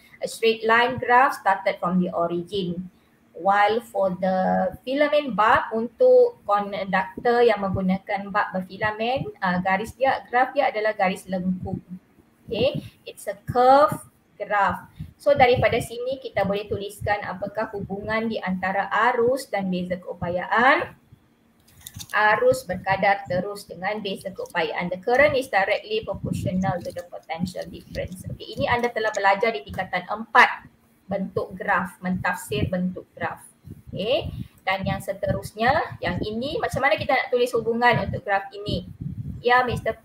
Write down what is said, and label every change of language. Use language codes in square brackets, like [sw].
[en] A straight line graph started from the origin. While for the filament bulb, [ms] untuk konduktor yang menggunakan bulb berfilament, garis dia, graf dia adalah garis lengkung. [en] Okay, it's a curve graph. [ms] So daripada sini kita boleh tuliskan apakah hubungan di antara arus dan beza keupayaan. Arus berkadar terus dengan beza keupayaan. [en] The current is directly proportional to the potential difference. [ms] Okay, ini anda telah belajar di tingkatan 4. Bentuk graf, mentafsir bentuk graf. Okay. Dan yang seterusnya, yang ini macam mana kita nak tulis hubungan untuk graf ini? Ya, yeah, Mr.